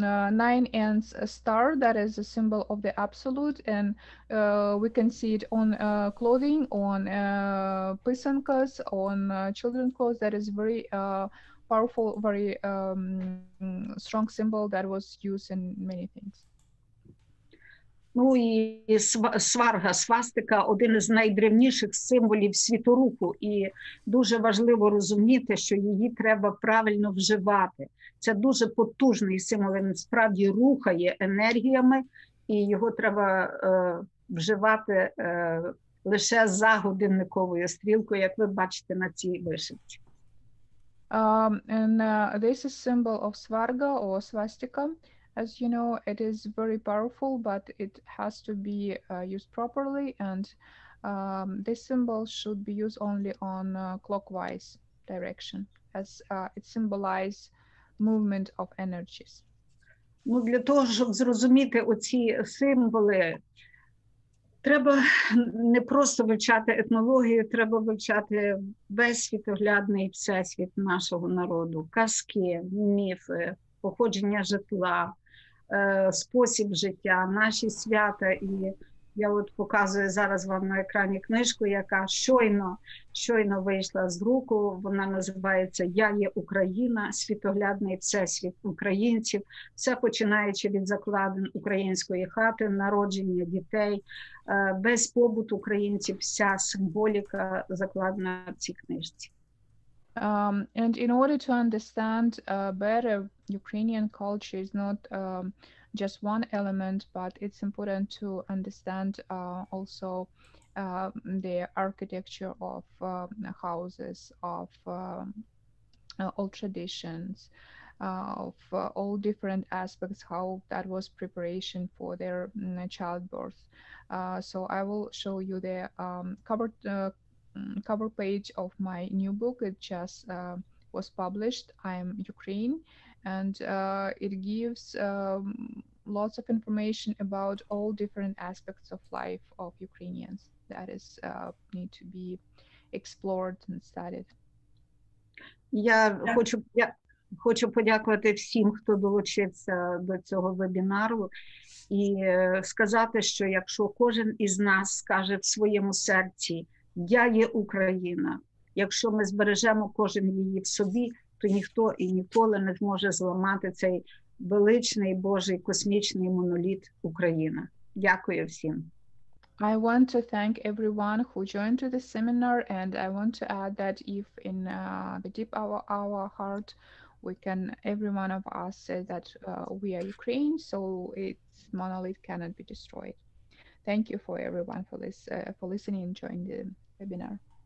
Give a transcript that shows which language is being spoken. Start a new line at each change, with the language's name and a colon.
English: Nine and a star, that is a symbol of the absolute, and we can see it on clothing, on писанках, on children's clothes. That is very powerful, very strong symbol that was used in many things.
Ukrainian: Ну і сварга, свастика – один із найдревніших символів світоруху. І дуже важливо розуміти, що її треба правильно вживати. Це дуже потужний символ, він справді рухає енергіями, і його треба вживати лише за годинниковою стрілкою, як ви бачите на цій вишивці.
English: This is symbol of сварга or свастика. As you know, it is very powerful, but it has to be used properly, and this symbol should be used only on clockwise direction, as it symbolizes movement of energies.
Ukrainian: Ну, для того, щоб зрозуміти оці символи, треба не просто вивчати етнологію, треба вивчати весь світоглядний всесвіт нашого народу. Казки, міфи, походження житла, спосіб життя, наші свята. І я от показую зараз вам на екрані книжку, яка щойно вийшла з друку. Вона називається «Я є Україна. Світоглядний всесвіт українців». Все починаючи від закладин української хати, народження дітей. Без побуту українців вся символіка закладена в цій книжці.
English: And in order to understand better Ukrainian culture is not just one element, but it's important to understand also the architecture of houses, of old traditions, of all different aspects, how that was preparation for their childbirth. So I will show you the cover page of my new book. It just was published, I'm Ukraine, and it gives lots of information about all different aspects of life of Ukrainians that is need to be explored and studied.
Ukrainian: Я хочу подякувати всім, хто долучився до цього вебінару, і сказати, що якщо кожен із нас скаже в своєму серці «Я є Україна», якщо ми збережемо кожен її в собі, то ніхто і ніколи не зможе зламати цей величний, Божий, космічний моноліт «Україна». Дякую всім.
English: I want to thank everyone who joined to the seminar, and I want to add that if in the deep of our heart, we can, every one of us say that we are Ukraine, so its monolith cannot be destroyed. Thank you for everyone for this for listening and joining the webinar.